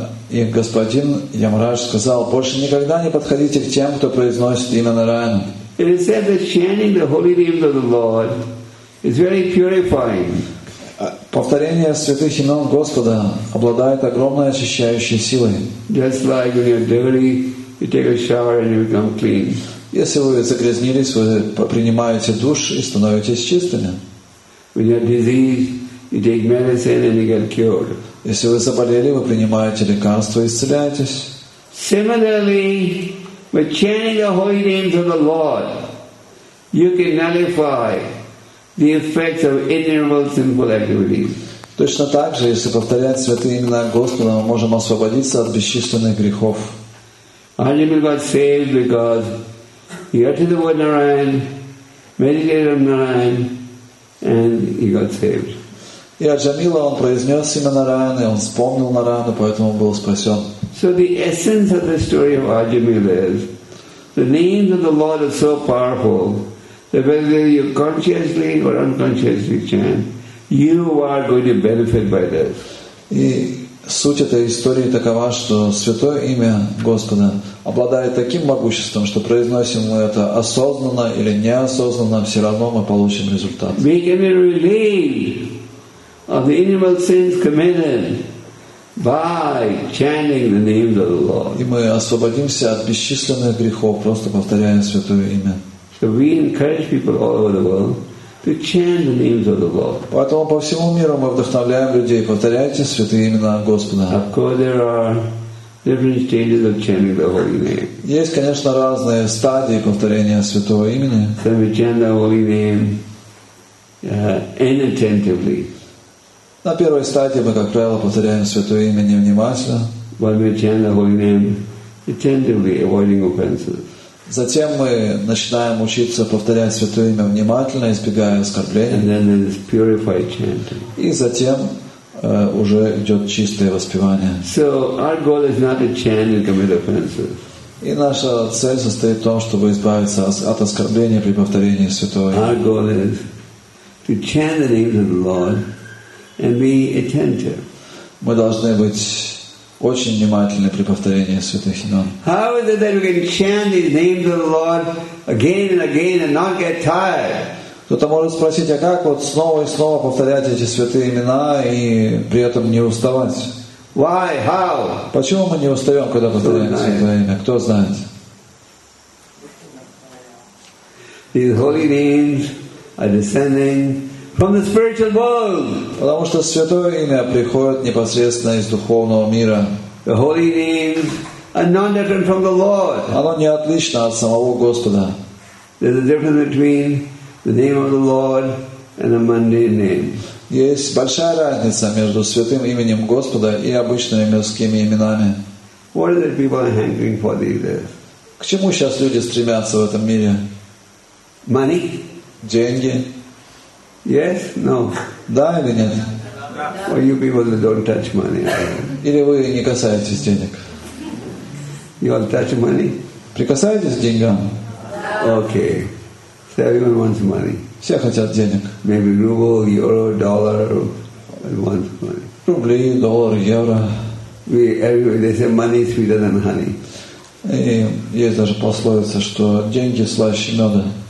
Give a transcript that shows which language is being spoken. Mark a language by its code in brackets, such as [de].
[ru] И господин Ямарадж сказал, больше никогда не подходите к тем, кто произносит имя Нараяна. [en] It is said that chanting the holy names of the Lord is very purifying. [ru] Повторение святых имен Господа обладает огромной очищающей силой. [en] Just like when you're dirty, you take a shower and you become clean. [ru] Если вы загрязнились, вы принимаете душ и становитесь чистыми. [en] When you're diseased, you take medicine and you get cured. [ru] Если вы заболели, вы принимаете лекарство и исцеляетесь. [en] Similarly, by chanting the holy names of the Lord, you can nullify the effects of innumerable sinful activities. [ru] Точно так же, если повторять святые имена Господа, мы можем освободиться от бесчисленных грехов. [en] Ajimil got saved because he uttered the word Narayan, meditated on Narayan, and he got saved. [ru] И Аджамила, он произнес имя Нараяна, и он вспомнил Нараяну, поэтому он был спасен. [en] So the essence of the story of Ajimil is the names of the Lord are so powerful that whether you consciously or unconsciously chant, you are going to benefit by this. [ru] И суть этой истории такова, что святое имя Господа обладает таким могуществом, что произносим мы это осознанно или неосознанно, все равно мы получим результат. [en] We can be relieved of the innumerable sins committed by chanting the names of the Lord. [ru] И мы освободимся от бесчисленных грехов, просто повторяя святое имя. [en] So we encourage people all over the world To chant the names of the Lord. [ru] Поэтому по всему миру мы вдохновляем людей, повторяйте святые имена Господа. [en] Of course, there are different stages of chanting the holy name. [ru] Есть, конечно, разные стадии повторения святого имени. [en] Some we chant the holy name inattentively. [ru] На первой стадии мы, как правило, повторяем святое имя невнимательно. [en] When we chant the holy name attentively, avoiding offenses. [ru] Затем мы начинаем учиться повторять Святое Имя внимательно, избегая оскорблений. И затем уже идет чистое воспевание. [en] So our goal is not to chant and commit offenses. [ru] И наша цель состоит в том, чтобы избавиться от оскорблений при повторении Святого Имя. [en] Our goal is to chant the name of the Lord and be attentive. [ru] Мы должны быть очень внимательны при повторении святых имен. [en] How is it that we can chant the names of the Lord again and again and not get tired? [ru] Кто-то может спросить, а как вот снова и снова повторять эти святые имена и при этом не уставать? [en] Why? How? [ru] Почему мы не устаем, когда повторяем святое имя? Кто знает? [en] These holy names are descending from the spiritual world. [ru] Потому что святое имя приходит непосредственно из духовного мира. [en] The holy names are not different from the Lord. [ru] Оно не отлично от самого Господа. [en] There's a difference between the name of the Lord and a mundane name. [ru] Есть большая разница между святым именем Господа и обычными мирскими именами. [en] What are the people hankering for these days? [ru] К чему сейчас люди стремятся в этом мире? [en] Money? [ru] Деньги? [en] Yes? No. [ru] Да или нет? [en] Or you people that don't touch money. [ru] Или вы не касаетесь денег? [en] You all touch money? [ru] Прикасаетесь к деньгам? [en] Okay. So everyone wants money. [ru] Все хотят денег. [en] Maybe ruble, euro, dollar, wants money. [ru] Рубли, доллар, евро. [en] They say money is sweeter than honey. [ru] И есть даже пословица, что деньги слаще меда.